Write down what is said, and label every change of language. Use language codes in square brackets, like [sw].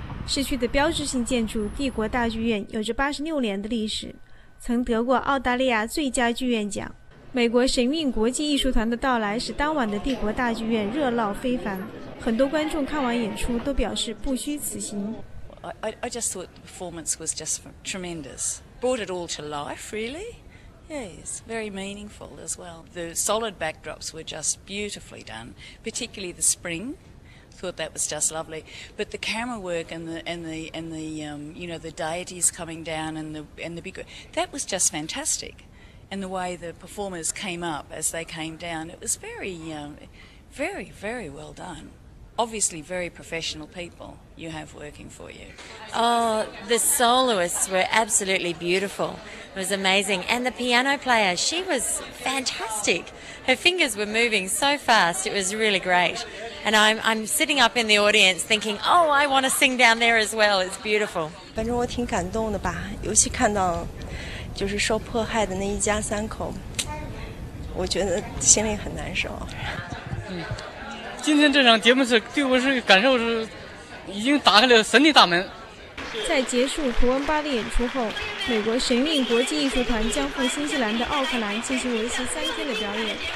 [zh] 市区的标志性建筑帝国大剧院有着86年的历史，曾得过澳大利亚最佳剧院奖。美国神韵国际艺术团的到来使当晚的帝国大剧院热闹非凡，很多观众看完演出都表示不虚此行。 [en] I just thought the performance was just tremendous, brought it all to life really. Yes, very meaningful as well. The solid backdrops were just beautifully done, particularly the springThought that was just lovely, but the camera work and the you know, the deities coming down and the big, that was just fantastic, and the way the performers came up as they came down, it was very, very well done. Obviously, very professional people you have working for you. Oh, the soloists were absolutely beautiful. It was amazing, and the piano player, she was fantastic. Her fingers were moving so fast; it was really great. And I'm sitting up in the audience thinking, oh, I want to sing down there as well. It's beautiful. [zh] 反正我挺感动的吧，尤其看到就是受迫害的那一家三口，我觉得心里很难受。今天这场节目是对我是感受是已经打开了神的大门。在结束图文巴的演出后，美国神韵国际艺术团将赴新西兰的奥克兰进行为期3天的表演。